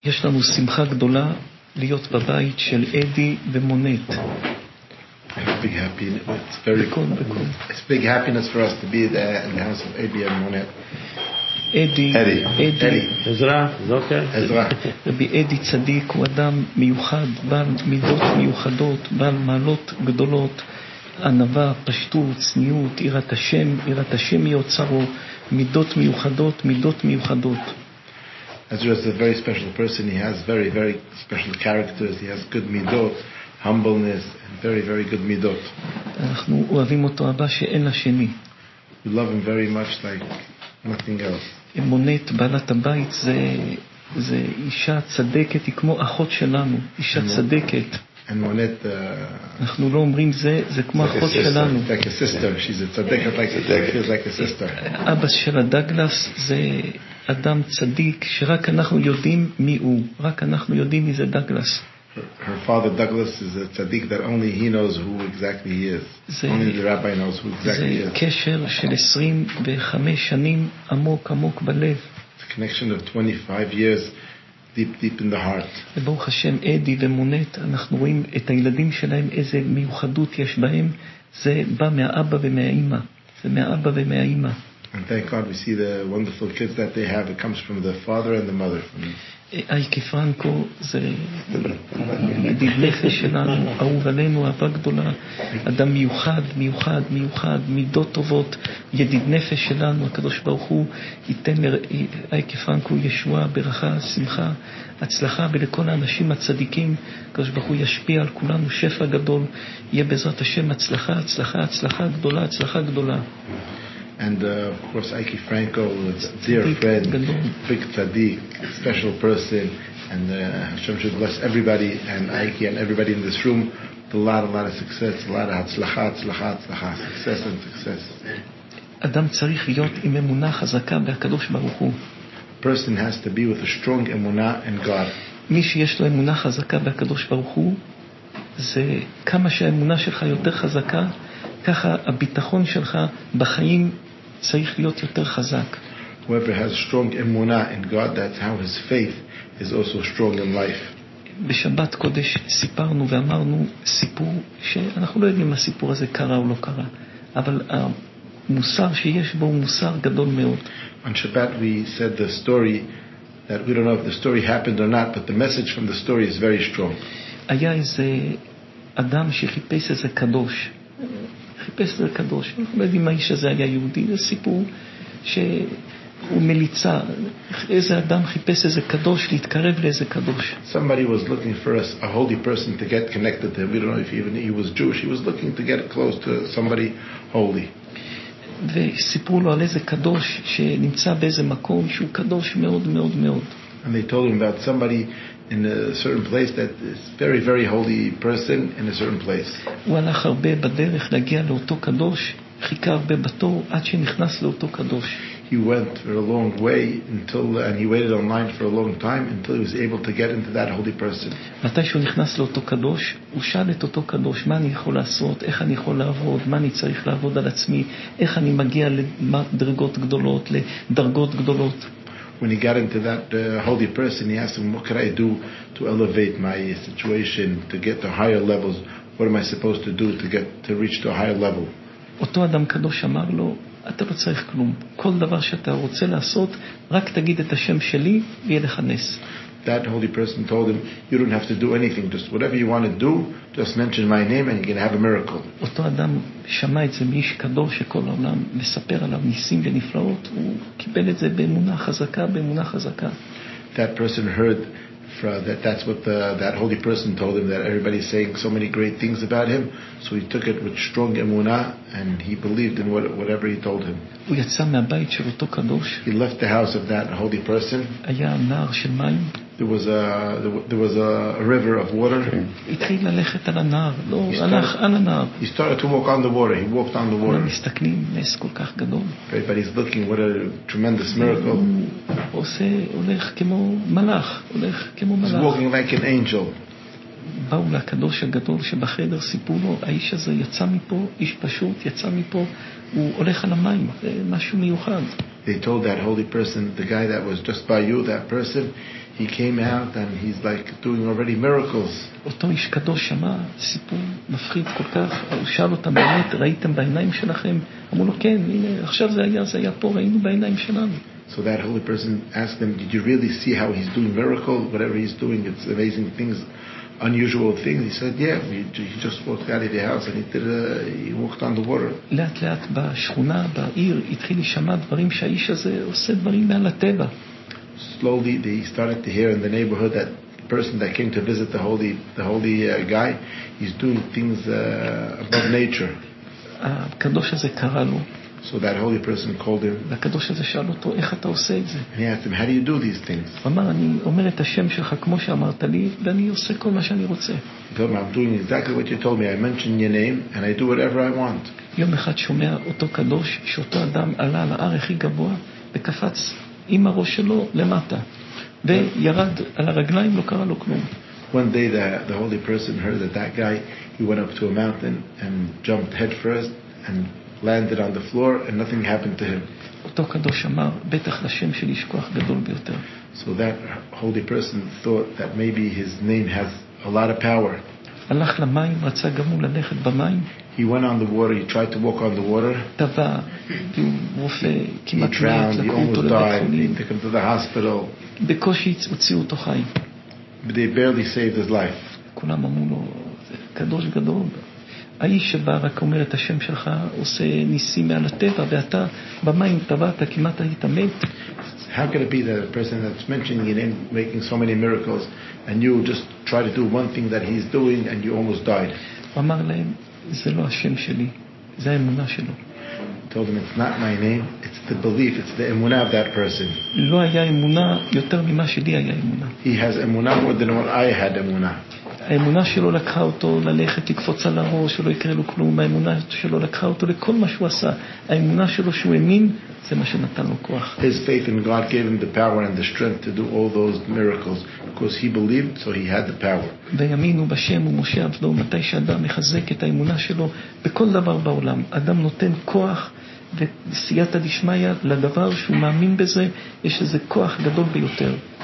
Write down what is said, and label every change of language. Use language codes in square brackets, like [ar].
[he] יש לנו שמחה גדולה להיות בבית של אדי ומונט. [en] Big happiness. It's very good. Cool. It's big happiness for us to be there in the house of Eddie and Monet. Eddie. Ezra. Zoker. Ezra. [he] Rabbi Eddie Tzadik, הוא אדם מיוחד, בעל מידות מיוחדות, בעל מעלות גדולות, ענווה, פשטות, צניעות, עירת השם, עירת השם יוצרו, מידות מיוחדות, מידות מיוחדות. [en] Ezra is a very special person. He has very, very special characters. He has good midot. Humbleness and very, very good midot. [he] אנחנו אוהבים אותו אבא שאין לשני. [en] We love him very much like nothing else. [he] מונט בעלת הבית זה אישה צדקת, היא כמו אחות שלנו, אישה צדקת. [en] And Monet, [he] אנחנו לא אומרים זה כמו אחות שלנו. [en] Like a sister, she's a tzaddikah, like a sister. [he] אבא של הדגלס זה אדם צדיק שרק אנחנו יודעים מי הוא, רק אנחנו יודעים מי זה דגלס. [en] Her father Douglas is a tzaddik that only he knows who exactly he is. Only the rabbi knows who exactly he is. [he] זה קשר של 25 שנים עמוק עמוק בלב. [en] The connection of 25 years deep deep in the heart. [he] ברוך השם אדי ומונט, אנחנו רואים את הילדים שלהם איזה מיוחדות יש בהם. זה בא מהאבא ומהאימא. זה מהאבא ומהאימא. [en] And thank God we see the wonderful kids that they have. It comes from the father and the mother. [he] אייקי פרנקו זה ידיד נפש שלנו, אהוב עלינו, אהבה גדולה, אדם מיוחד, מיוחד, מיוחד, מידות טובות, ידיד נפש שלנו, הקדוש ברוך הוא ייתן אייקי פרנקו ישועה, ברכה, שמחה, הצלחה, ולכל האנשים הצדיקים, הקדוש ברוך הוא ישפיע על כולנו שפע גדול, יהיה בעזרת השם הצלחה, הצלחה, הצלחה גדולה, הצלחה גדולה. [en] And of course Aiki Franco, dear friend, big tzaddik, special person, and Hashem should bless everybody and Aiki and everybody in this room with a lot of success, a lot of hatzlacha, hatzlacha, hatzlacha, success and success. [he] Adam צריך להיות עם אמונה חזקה בקדוש ברוך הוא. [en] Person has to be with a strong אמונה in God. [he] מי שיש לו אמונה חזקה בקדוש ברוך הוא, זה כמה שהאמונה שלך יותר חזקה, ככה הביטחון שלך בחיים צריך להיות יותר חזק. [en] Whoever has strong emunah in God, that's how his faith is also strong in life. [he] בשבת קודש סיפרנו ואמרנו סיפור שאנחנו לא יודעים מה הסיפור הזה קרה או לא קרה, אבל המוסר שיש בו הוא מוסר גדול מאוד. [en] On Shabbat we said the story that we don't know if the story happened or not, but the message from the story is very strong. [he] היה איזה אדם שחיפש איזה קדוש, חיפש את הקדוש, אנחנו לא יודעים האיש הזה היה יהודי, זה סיפור שהוא מליצה, איזה אדם חיפש איזה קדוש להתקרב לאיזה קדוש. [en] Somebody was looking for a holy person to get connected to him. We don't know if even he was Jewish. He was looking to get close to somebody holy. [he] וסיפרו לו על איזה קדוש שנמצא באיזה מקום שהוא קדוש מאוד מאוד מאוד. [en] And they told him about somebody in a certain place that is very very holy person in a certain place. [he] והלך הרבה בדרך להגיע לאותו קדוש, חיכה הרבה בתור עד שנכנס לאותו קדוש. [en] He went for a long way and he waited online for a long time until he was able to get into that holy person. [he] מתי שהוא נכנס לאותו קדוש, הוא שאל את אותו קדוש, מה אני יכול לעשות, איך אני יכול לעבוד, מה אני צריך לעבוד על עצמי, איך אני מגיע לדרגות גדולות, לדרגות גדולות. [en] When he got into that holy person, he asked him, what could I do to elevate my situation, to get to higher levels? What am I supposed to do to reach to a higher level? [he] אותו אדם קדוש אמר לו, אתה לא צריך כלום. כל דבר שאתה רוצה לעשות, רק תגיד את השם שלי, ויהיה לך נס. [en] That holy person told him, you don't have to do anything. Just whatever you want to do, just mention my name and you're going to have a miracle. [he] אותו אדם שמע את זה מאיש קדוש שכל העולם מספר עליו ניסים ונפלאות, הוא קיבל את זה באמונה חזקה, באמונה חזקה. [en] That person heard that's what that holy person told him, that everybody is saying so many great things about him. So he took it with strong emunah and he believed in whatever he told him. [he] הוא יצא מהבית של אותו קדוש. [en] He left the house of that holy person. [he] היה נער של מים. [en] There was a river of water. [he] התחיל ללכת על הנער, לא הלך על הנער. [en] He started to walk on the water. He walked on the water. [he] כולם מסתכלים, נס כל כך גדול. [en] Everybody's looking, what a tremendous miracle. [he] הולך כמו מלאך, הולך כמו מלאך. [en] He's walking like an angel. [he] באו לקדוש הגדול שבחדר, סיפרו לו, האיש הזה יצא מפה, איש פשוט יצא מפה, הוא הולך על המים, משהו מיוחד. [en] They told that holy person, the guy that was just by you, that person, he came out and he's like doing already miracles. [he] אותו איש קדוש שמע סיפור מפחיד כל כך, הוא שאל אותם, באמת ראיתם בעיניים שלכם? אמרו לו כן, הנה עכשיו זה היה פה, ראינו בעיניים שלנו. [en] So that holy person asked them, did you really see how he's doing miracle, whatever he's doing, it's amazing things, unusual things. He said, yeah, he just walked out of the house and he walked on the water. [he] לאט לאט בשכונה בעיר התחיל לשמע דברים שהאיש הזה עושה דברים מעל הטבע. [en] Slowly they started to hear in the neighborhood that person that came to visit the holy guy, he's doing things above nature. [he] הקדוש הזה קרא לו. [en] So that holy person called him. [he] הקדוש הזה שאל אותו, איך אתה עושה את זה? [en] And he asked him, how do you do these things? [he] הוא אמר, אני אומר את השם שלך כמו שאמרת לי, ואני עושה כל מה שאני רוצה. [en] I'm doing exactly what you told me. I mention your name and I do whatever I want. [he] יום אחד שומע אותו קדוש שאותו אדם עלה על ההר הכי גבוה וקפץ עם הראש שלו למטה וירד על הרגליים, לא קרה לו כלום. [en] One day the holy person heard that guy, he went up to a mountain and jumped head first and landed on the floor and nothing happened to him. [he] אותו קדוש אמר, בטח השם של ישכוח גדול ביותר. [en] So that holy person thought that maybe his name has a lot of power. [he] הלך למים, רצה גם הוא ללכת במים. [en] He went on the water, he tried to walk on the water. [he] טבע, רופא, כמעט מת, לקחו אותו לבית חולים. [en] He took him to the hospital. [he] בקושי הוציאו אותו חי. [en] But they barely saved his life. [he] כולם אמרו לו, קדוש גדול. האיש שבא רק אומר את השם שלך, עושה ניסים מעל הטבע, ואתה במים טבעת, כמעט היית מת. [en] How could it be that a person that's mentioning your name, making so many miracles, and you just try to do one thing that he's doing, and you almost died? [he] הוא אמר להם, זה לא השם שלי, זה האמונה שלו. [en] He told them, it's not my name, it's the belief, it's the emunah of that person. [he] לא היה אמונה יותר ממה שלי היה אמונה. [en] He has emunah more than what I had emunah. [he] האמונה שלו לקחה אותו ללכת לקפוץ על הראש שלא יקרה לו כלום. האמונה שלו לקחה אותו לכל מה שהוא עשה. האמונה שלו שהוא האמין, זה מה שנתן לו כוח. [en] His faith in God gave him the power and the strength to do all those miracles because he believed, so he had the power. [he] וימינו בשם ומשה עבדו. מתי שאדם מחזק את האמונה שלו בכל דבר בעולם, אדם נותן כוח וסייעתא דשמיא לדבר שהוא מאמין בזה, יש איזה כוח גדול ביותר.